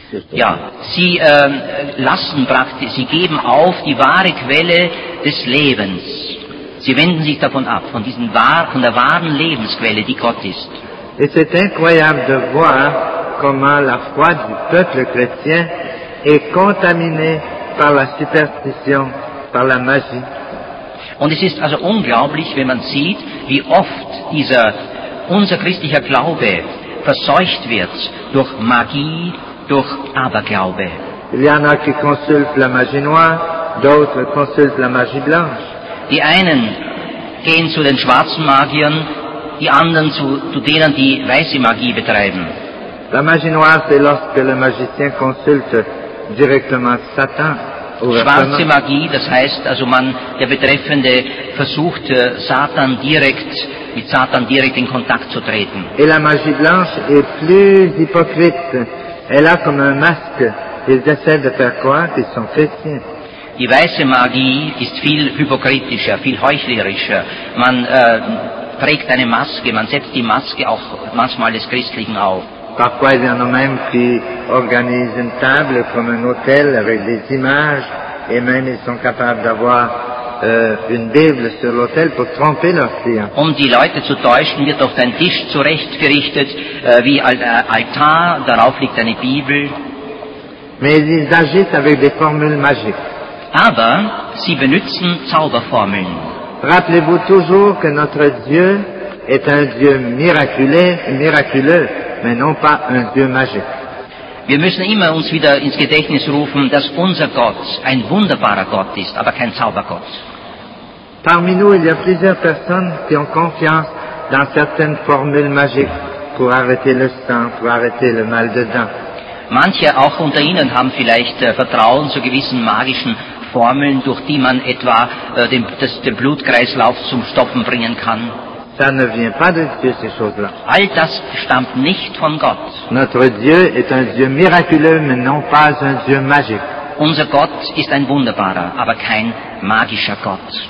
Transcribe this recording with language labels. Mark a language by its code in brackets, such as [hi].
[de] Ja, sie lassen praktisch, sie geben auf die wahre Quelle des Lebens. Sie wenden sich davon ab, von diesem wahren, von der wahren Lebensquelle, die Gott ist. [fr] Et c'est incroyable de voir comment la foi du peuple chrétien est contaminée par la superstition, par la magie. [de] Und es ist also unglaublich, wenn man sieht, wie oft dieser unser christlicher Glaube verseucht wird durch Magie, durch Aberglaube. [fr] Il y en a qui consultent la magie noire, d'autres consultent la magie blanche. [de] Die einen gehen zu den schwarzen Magiern, die anderen zu denen, die weiße Magie betreiben. [fr] La magie noire, c'est lorsque le magicien consulte directement Satan. [de] Schwarze Magie, das heißt, also man, der Betreffende versucht, Satan direkt, mit Satan direkt in Kontakt zu treten. [fr] Et la magie blanche est plus hypocrite. Elle a comme un masque. Ils essaient de faire croire qu'ils sont chrétiens. [de] Die weiße Magie ist viel hypokritischer, viel heuchlerischer. Man trägt eine Maske, man setzt die Maske auch manchmal des Christlichen auf. [fr] Parfois, il y en a même qui organisent une table comme un hôtel avec des images et même ils sont capables d'avoir une Bible sur l'hôtel pour tromper leurs clients. [de] Um die Leute zu täuschen, wird oft ein Tisch zurechtgerichtet, wie ein Altar, darauf liegt eine Bibel. [fr] Mais ils agissent avec des formules magiques. [de] Aber sie benutzen Zauberformeln. [fr] Rappelez-vous toujours que notre Dieu est un Dieu miraculeux. Mais non pas un Dieu magique. [de] Wir müssen immer uns wieder ins Gedächtnis rufen, dass unser Gott ein wunderbarer Gott ist, aber kein Zaubergott. [fr] Parmi nous, il y a plusieurs personnes qui ont confiance dans certaines formules magiques pour arrêter le sang, pour arrêter le mal de dents. [de] Manche auch unter Ihnen haben vielleicht Vertrauen zu gewissen magischen Formeln, durch die man etwa den Blutkreislauf zum Stoppen bringen kann. [fr] Ça ne vient pas de Dieu, ces choses-là. [de] All das stammt nicht von Gott. [fr] Notre Dieu est un Dieu miraculeux, mais non pas un Dieu magique. [de] Unser Gott ist ein wunderbarer, aber kein magischer Gott.